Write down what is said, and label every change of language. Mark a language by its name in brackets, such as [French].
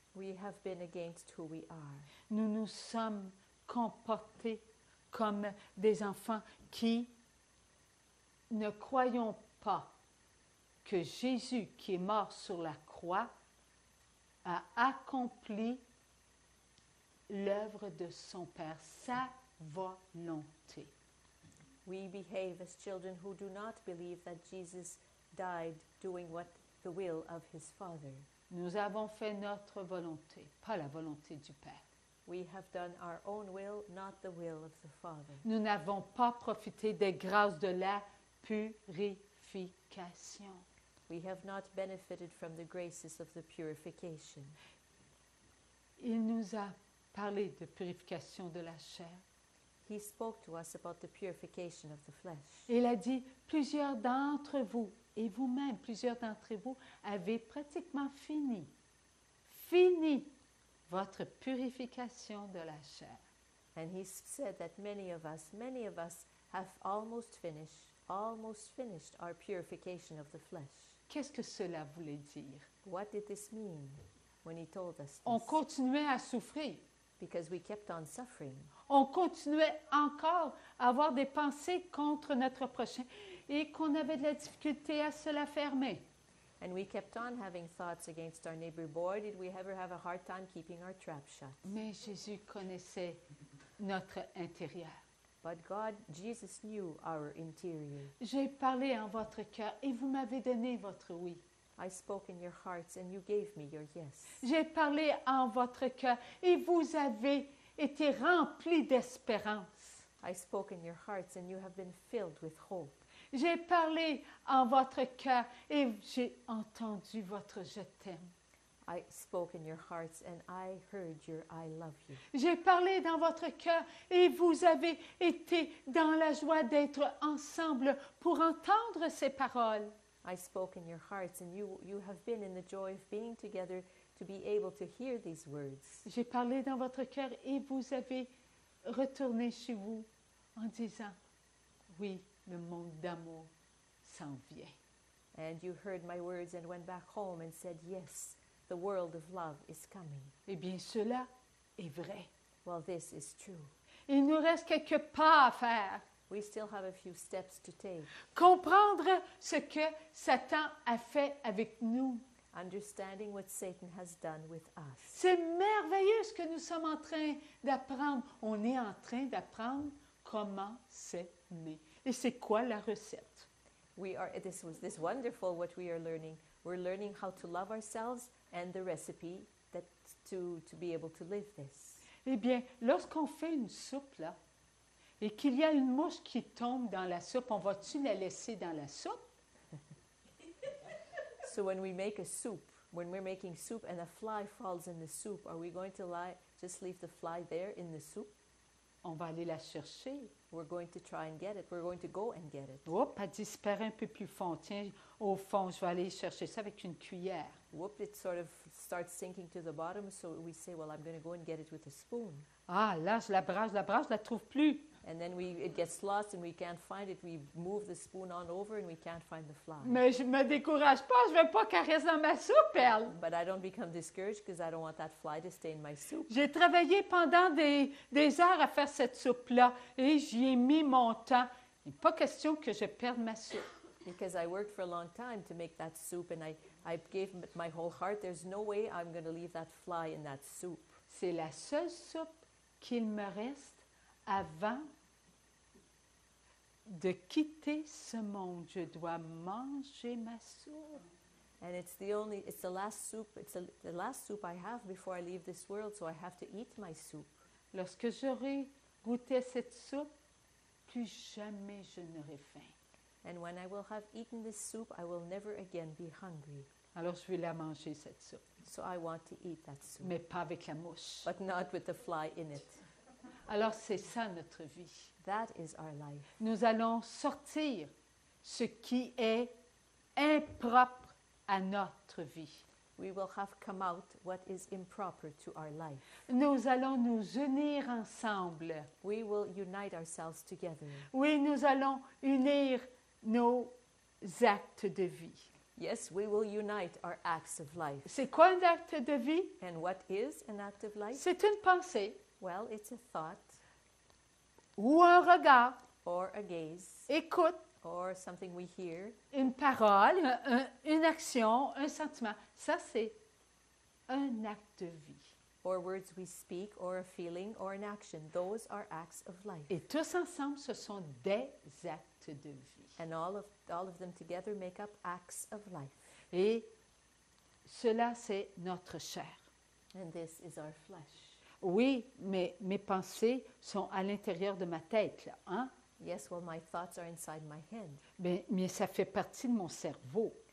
[English] We have been against who we are. [French] Nous nous sommes comportés comme des enfants qui ne croyons pas que Jésus, qui est mort sur la croix, a accompli l'œuvre de son Père, sa volonté. [English] We behave as children who do not believe that Jesus died doing what the will of his Father. [French] Nous avons fait notre volonté, pas la volonté du Père. [English] We have done our own will, not the will of the Father. [French] Nous n'avons pas profité des grâces de la purification. [English] We have not benefited from the graces of the purification. [French] Il nous a parlé de purification de la chair. [English] He spoke to us about the purification of the flesh. [French] Il a dit, plusieurs d'entre vous, et vous-même, plusieurs d'entre vous, avez pratiquement fini votre purification de la chair. [English] And he said that many of us have almost finished our purification of the flesh. [French] Qu'est-ce que cela voulait dire? [English] What did this mean when he told us this? [French] On continuait à souffrir. [English] Because we kept on suffering. [French] On continuait encore à avoir des pensées contre notre prochain et qu'on avait de la difficulté à se la fermer. [English] And we kept on having thoughts against our neighbor. Boy, did we ever have a hard time keeping our trap shut. [French] Mais Jésus connaissait notre intérieur. [English] But God, Jesus knew our interior. [French] J'ai parlé en votre cœur et vous m'avez donné votre oui. [English] I spoke in your hearts and you gave me your yes. [French] J'ai parlé en votre cœur et vous avez été rempli d'espérance. [English] I spoke in your hearts and you have been filled with hope. [French] J'ai parlé en votre cœur et j'ai entendu votre je t'aime. [English] I spoke in your hearts and I heard your I love you. [French] J'ai parlé dans votre cœur et vous avez été dans la joie d'être ensemble pour entendre ces paroles. [English] I spoke in your hearts and you have been in the joy of being together to be able to hear these words. [French] J'ai parlé dans votre cœur et vous avez retourné chez vous en disant oui, le monde d'amour s'en vient. [English] And you heard my words and went back home and said yes. The world of love is coming. [French] Eh bien, cela est vrai. [English] Well, this is true. [French] Il nous reste quelques pas à faire. [English] We still have a few steps to take. [French] Comprendre ce que Satan a fait avec nous. [English] Understanding what Satan has done with us. [French] C'est merveilleux ce que nous sommes en train d'apprendre. On est en train d'apprendre comment s'aimer. Et c'est quoi la recette? [English] This is wonderful what we are learning. We're learning how to love ourselves. And the recipe that to be able to live this. [French] Eh bien, lorsqu'on fait une soupe là, et qu'il y a une mouche qui tombe dans la soupe, on va-tu la laisser dans la soupe? [English] So when we make a soup, when we're making soup and a fly falls in the soup, are we going to just leave the fly there in the soup? [French] On va aller la chercher. [English] We're going to try and get it. We're going to go and get it. [French] Oups, elle disparaît un peu plus fond. Tiens, au fond, je vais aller chercher ça avec une cuillère. [English] Whoop, it sort of starts sinking to the bottom, so we say, well, I'm going to go and get it with a spoon. [French] Ah, là, je la brasse, je la trouve plus. [English] And then it gets lost and we can't find it. We move the spoon on over and we can't find the fly. [French] Mais je ne me décourage pas, je ne veux pas qu'elle reste dans ma soupe, elle. [English] But I don't become discouraged because I don't want that fly to stay in my soup. [French] J'ai travaillé pendant des heures à faire cette soupe-là et j'y ai mis mon temps. Il n'est pas question que je perde ma soupe. [English] Because I worked for a long time to make that soup and I gave my whole heart. There's no way I'm going to leave that fly in that soup. [French] C'est la seule soupe qu'il me reste avant de quitter ce monde. Je dois manger ma soupe. [English] And it's the last soup I have before I leave this world, so I have to eat my soup. [French] Lorsque j'aurai goûté cette soupe, plus jamais je n'aurai faim. [English] And when I will have eaten this soup, I will never again be hungry. [French] Alors, je vais la manger, cette soupe. [English] So I want to eat that soup. [French] Mais pas avec la mouche. [English] But not with the fly in it. [French] Alors, c'est ça, notre vie. [English] That is our life. [French] Nous allons sortir ce qui est impropre à notre vie. [English] We will have come out what is improper to our life. [French] Nous allons nous unir ensemble. [English] We will unite ourselves together. [French] Oui, nous allons unir nos actes de vie. [English] Yes, we will unite our acts of life. [French] C'est quoi un acte de vie? [English] And what is an act of life? [French] C'est une pensée. [English] Well, it's a thought. [French] Ou un regard. [English] Or a gaze. [French] Écoute. [English] Or something we hear. [French] Une parole, une action, un sentiment. Ça, c'est un acte de vie. [English] Or words we speak, or a feeling, or an action. Those are acts of life. [French] Et tous ensemble, ce sont des actes de vie. [English] And all of them together make up acts of life. [French] Et cela, c'est notre chair. [English] And this is our flesh. [French] Oui, mais mes pensées sont à l'intérieur de ma tête, là, hein? [English] Yes, well, my thoughts are inside my head. [French] Mais ça fait partie de mon cerveau.